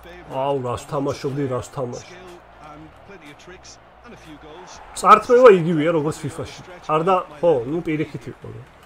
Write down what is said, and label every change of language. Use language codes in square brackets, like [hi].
[ka] აუ, რას თამაშობდი, რას თამაშობ? [en] Plenty of tricks and a few goals. [ka] წარწმევა იგივეა როგორც FIFA-ში. არდა, ხო, ნუ პირიქით იყო რა.